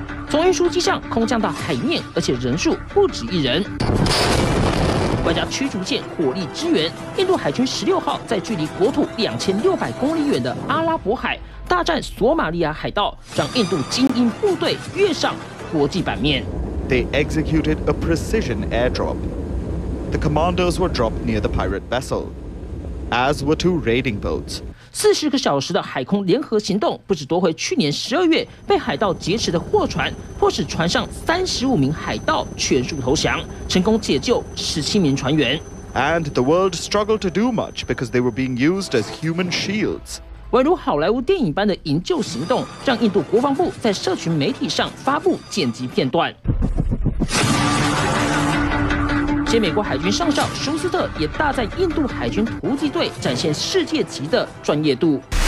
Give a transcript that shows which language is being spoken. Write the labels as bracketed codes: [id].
[zh] 从运输机上空降到海面，而且人数不止1人。外加驱逐舰火力支援，印度海军16号在距离国土2600公里远的阿拉伯海大战索马利亚海盗，让印度精英部队跃上国际版面。 [en] They executed a precision airdrop. The commandos were dropped near the pirate vessel, as were 2 raiding boats. [zh] 40个小时的海空联合行动，不止夺回去年12月被海盗劫持的货船，迫使船上35名海盗全数投降，成功解救17名船员。 [en] And the world struggled to do much because they were being used as human shields. [zh] 宛如好莱坞电影般的营救行动，让印度国防部在社群媒体上发布剪辑片段。前美国海军上校舒斯特也大赞印度海军突击队展现世界级的专业度。